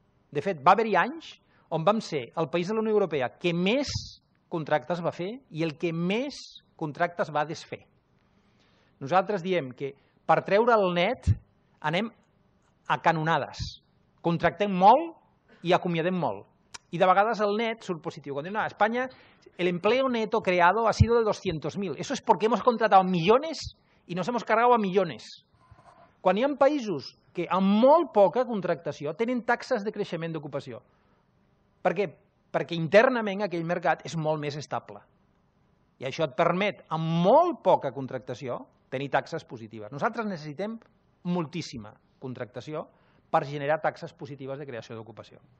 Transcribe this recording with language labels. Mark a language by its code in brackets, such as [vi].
[ca] De fet, va haver-hi anys on vam ser el país de la Unió Europea que més contractes va fer i el que més contractes va desfer. Nosaltres diem que per treure el net anem a canonades. Contractem molt i acomiadem molt. I de vegades el net surt positiu. Quan diuen, no, a Espanya, [es] el empleo neto creado ha sido de 200.000. Eso es porque hemos contratado millones y nos hemos cargado a millones. [ca] Quan hi ha països que amb molt poca contractació tenen taxes de creixement d'ocupació. Per què? Perquè internament aquell mercat és molt més estable. I això et permet, amb molt poca contractació, tenir taxes positives. Nosaltres necessitem moltíssima contractació per generar taxes positives de creació d'ocupació.